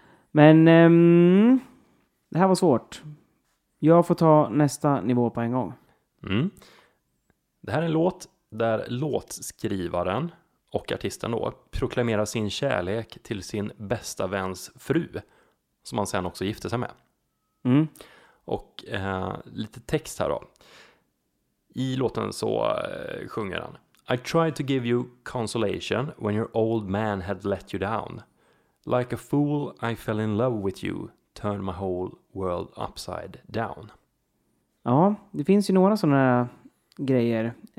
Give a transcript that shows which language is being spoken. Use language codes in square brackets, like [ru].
[sv] Men det här var svårt. Jag får ta nästa nivå på en gång. Mm. Det här är en låt där låtskrivaren och artisten då proklamerar sin kärlek till sin bästa väns fru som han sen också gifte sig med. Mm. Och lite text här då. I låten så sjunger han: [en] I tried to give you consolation when your old man had let you down. Like a fool I fell in love with you. Turn my whole world upside down. [sv] Ja, det finns ju några sådana här grejer.